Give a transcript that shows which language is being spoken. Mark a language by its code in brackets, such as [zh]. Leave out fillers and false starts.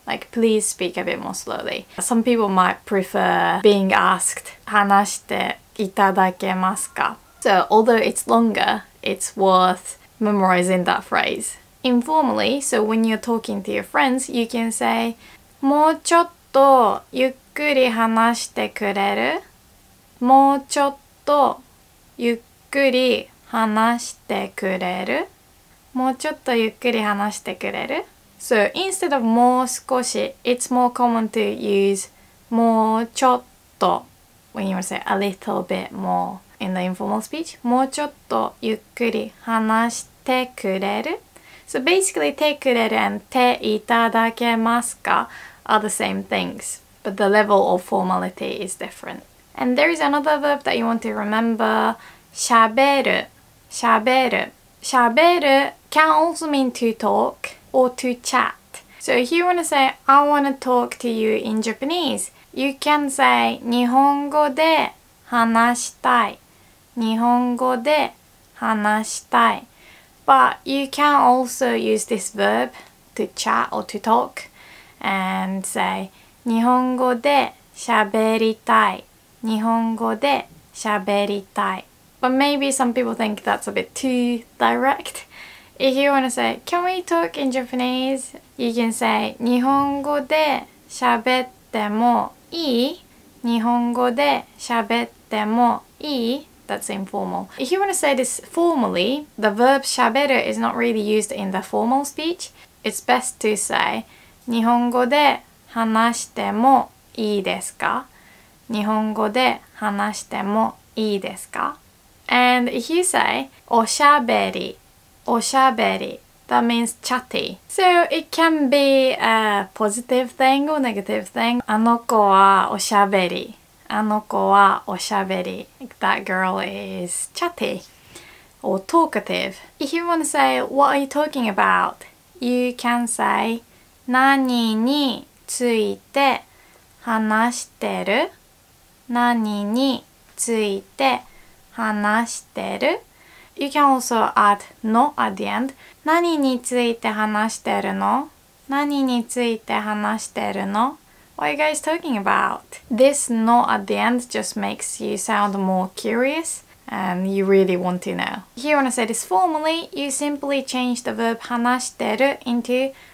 [en] Like, please speak a bit more slowly. Some people might prefer being asked, [ja] 話していただけますか? [en] So, although it's longer, it's worth memorizing that phrase. Informally, so when you're talking to your friends, you can say, [ja] もうちょっとゆっくり話してくれる? もうちょっとゆっくり話してくれる? もうちょっとゆっくり話してくれる? [en] So instead of もう少し, it's more common to use もうちょっと when you want to say a little bit more in the informal speech. [ja] もうちょっとゆっくり話してくれる? [en] So basically てくれる and ていただけますか are the same things, but the level of formality is different. And there is another verb that you want to remember, しゃべる。 [ja] Shaberu. [en] Shaberu can also mean to talk or to chat. So if you want to say, I want to talk to you in Japanese, you can say, [ja] 日本語で話したい。日本語で話したい。 [en] But you can also use this verb to chat or to talk and say, [ja] 日本語でしゃべりたい。日本語でしゃべりたい。 [en] But maybe some people think that's a bit too direct. If you want to say, can we talk in Japanese? You can say, [ja] 日本語で喋ってもいい? 日本語で喋ってもいい? [en] That's informal. If you want to say this formally, the verb 喋る is not really used in the formal speech. It's best to say, [ja] 日本語で話してもいいですか? 日本語で話してもいいですか? [en] And if you say, おしゃべり、that means chatty. So it can be a positive thing or negative thing. [ja] あの子はおしゃべり。あの子はおしゃべり。 [en] That girl is chatty or talkative. If you want to say, what are you talking about? You can say, [ja] 何について話してる? 何について話してる? [en] You can also add のat the end. [ja] 何について話してるの?何について話してるの? [en] What are you guys talking about? This のat the end just makes you sound more curious and you really want to know. If you want to say this formally, you simply change the verb 話してる into